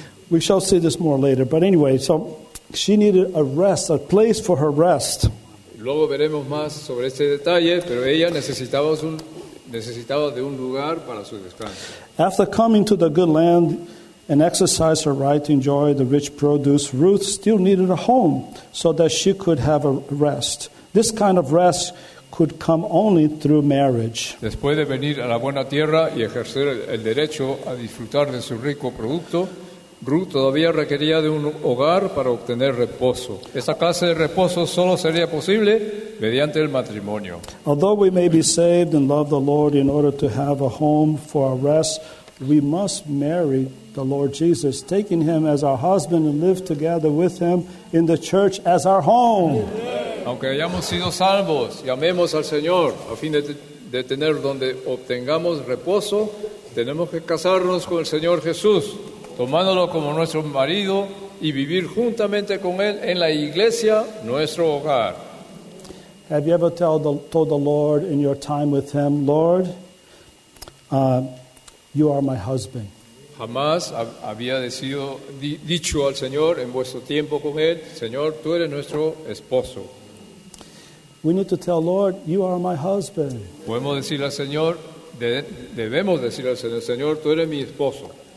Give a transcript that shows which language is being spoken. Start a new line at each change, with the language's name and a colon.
English: We shall see this more later, but anyway, so she needed a rest, a place for her rest.
Spanish: Luego veremos más sobre este detalle, pero ella necesitaba de un lugar para su descanso.
English: After coming to the good land and exercise her right to enjoy the rich produce, Ruth still needed a home so that she could have a rest. This kind of rest could come only through marriage.
Spanish: Después de venir a la buena tierra y ejercer el derecho a disfrutar de su rico producto, Ruth todavía requería de un hogar para obtener reposo. Esa clase de reposo solo sería posible mediante el matrimonio.
English: Although we may be saved and love the Lord in order to have a home for our rest, we must marry the Lord Jesus, taking him as our husband and live together with him in the church as our home.
Spanish: Aunque hayamos sido salvos, llamemos al Señor a fin de tener donde obtengamos reposo, tenemos que casarnos con el Señor Jesús, tomándolo como nuestro marido y vivir juntamente con él en la iglesia, nuestro hogar.
English: Have you ever told the Lord in your time with him, Lord, you are my husband?
Spanish: Jamás había dicho al Señor en vuestro tiempo con él, Señor, tú eres nuestro esposo.
English: We need to tell Lord, you are my husband.
Spanish: Podemos decirle al Señor, debemos decirle al Señor, Señor, tú eres mi esposo.